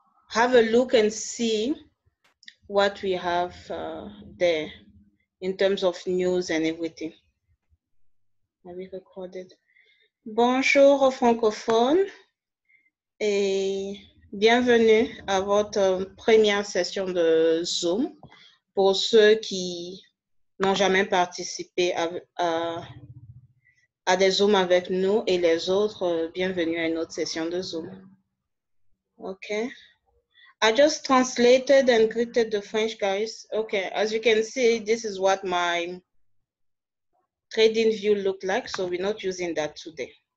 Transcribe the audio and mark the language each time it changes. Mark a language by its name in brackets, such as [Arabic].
[English] Have a look and see what we have there in terms of news and everything. Are we recorded? [French] Bonjour aux francophones et bienvenue à votre première session de Zoom pour ceux qui n'ont jamais participé à des Zooms avec nous et les autres, bienvenue à une autre session de Zoom. [English] OK. I just translated and greeted the French guys. Okay, as you can see, this is what my trading view looked like, so we're not using that today.